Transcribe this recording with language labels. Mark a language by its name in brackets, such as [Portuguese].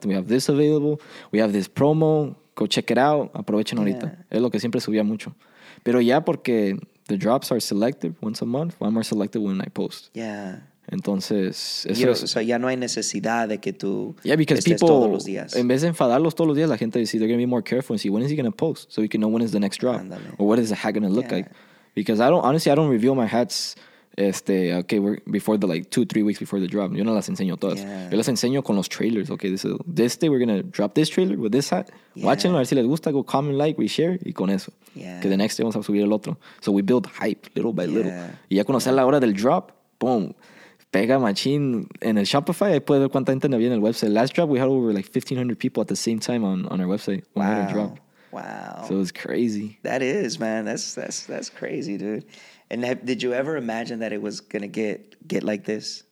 [English] We have this available, we have this promo, go check it out, [Spanish] aprovechen ahorita. Es lo que siempre subía mucho. Pero ya porque [English] the drops are selected once a month, I'm more selected when I post. [Spanish] Entonces, eso es. O sea, ya no hay necesidad de que tú estés [English] people, [Spanish] todos los días. En vez de enfadarlos todos los días, la gente dice, [English] they're going to be more careful and see, when is he going to post? So we can know when is the next drop. [Spanish] Andale. [English] Or what is the hat going to look like? Because I don't reveal my hats. Okay, we're before the like 2-3 weeks before the drop. [Spanish] Yo no las enseño todas. Yo las enseño con los trailers. [English] Okay, this day we're gonna drop this trailer with this hat. [Spanish] Watchenlo, a ver si les gusta. [English] Go comment, like, reshare, [Spanish] y con eso. Que [English] the next day [Spanish] vamos a subir el otro. [English] So we build hype little by little. [Spanish] Y ya cuando sea la hora del drop, boom, pega machine en el Shopify. Ahí puede ver cuánta gente había en el website. [English] Last drop we had over like 1,500 people at the same time on our website. Wow. When we drop. Wow. So it's crazy. That is, man. That's crazy, dude. And did you ever imagine that it was going to get like this?